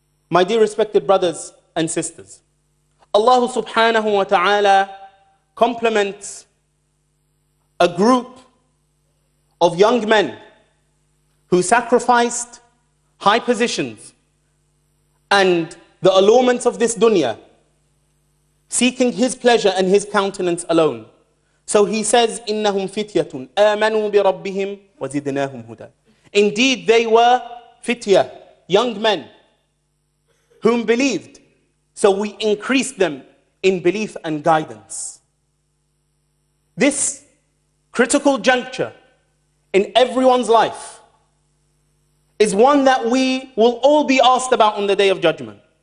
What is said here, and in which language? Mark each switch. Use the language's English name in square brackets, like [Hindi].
[English] My dear respected brothers and sisters, Allah subhanahu wa ta'ala compliments a group of young men who sacrificed high positions and the allurements of this dunya, seeking his pleasure and his countenance alone. [Arabic] So he says, إِنَّهُمْ فِتْيَةٌ آمَنُوا بِرَبِّهِمْ وَزِدْنَاهُمْ هُدَى. [English] Indeed, they were fitya, young men, whom believed. So we increased them in belief and guidance. This critical juncture in everyone's life is one that we will all be asked about on the Day of Judgment.